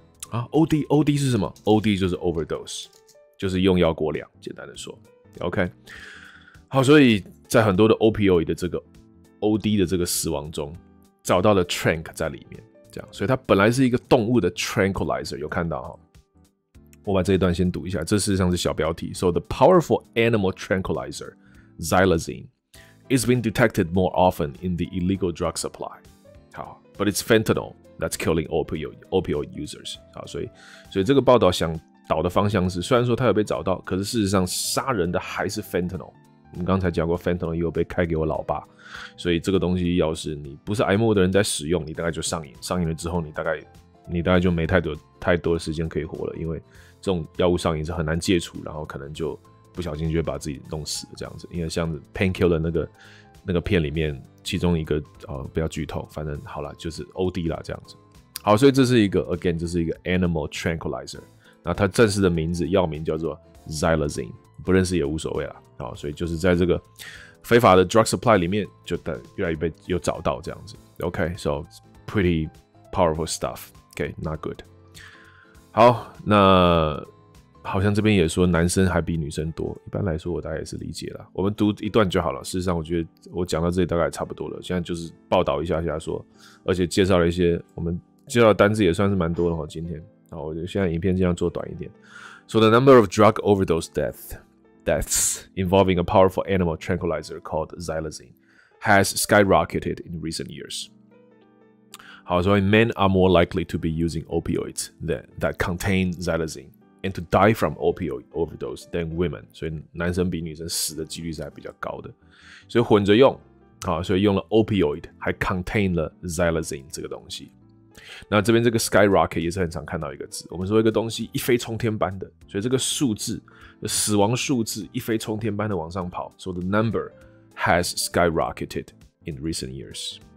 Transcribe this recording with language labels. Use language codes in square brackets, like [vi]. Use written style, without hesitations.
[zh] 啊 ，OD 是什么 ？OD 就是 overdose, 就是用药过量。简单的说 ，OK。好，所以在很多的 opioid 的这个 OD 的这个死亡中，找到了 tranq 在里面，这样，所以它本来是一个动物的 tranquilizer, 有看到哈？我把这一段先读一下，这事实上是小标题。 [en] So the powerful animal tranquilizer xylazine is being detected more often in the illegal drug supply. 好，but it's fentanyl. That's killing opioid users. [zh] 好，所以这个报道想导的方向是，虽然说他有被找到，可是事实上杀人的还是 fentanyl。我们刚才讲过 ，fentanyl 又被开给我老爸，所以这个东西要是你不是癌末的人在使用，你大概就上瘾，上瘾了之后，你大概就没太多的时间可以活了，因为这种药物上瘾是很难戒除，然后可能就不小心就会把自己弄死了这样子。因为像 painkiller 那个片里面。其中一个不要剧透，反正好了，就是 OD 啦这样子。好，所以这是一个 again, 这是一个 animal tranquilizer。那它正式的名字药名叫做 xylazine, 不认识也无所谓啦。好，所以就是在这个非法的 drug supply 里面，就越来越被又找到这样子。 [en] OK, so pretty powerful stuff. OK, not good. [zh] 好，那好像这边也说男生还比女生多，一般来说我大概也是理解了。我们读一段就好了。事实上，我觉得我讲到这里大概也差不多了。现在就是报道一下下说，而且介绍了一些我们介绍的单字也算是蛮多的哈。今天，我觉得现在影片尽量做短一点。 [en] So the number of drug overdose deaths involving a powerful animal tranquilizer called xylazine has skyrocketed in recent years. 好，所以 men are more likely to be using opioids that contain xylazine. [zh] And to die from opioid overdose than women, 所以男生比女生死的几率是还比较高的，所以混着用，所以用了 opioid 还 contain 了 xylazine 这个东西。那这边这个 skyrocket 也是很常看到一个字，我们说一个东西一飞冲天般的，所以这个数字死亡数字一飞冲天般的往上跑 ， so the number has skyrocketed in recent years.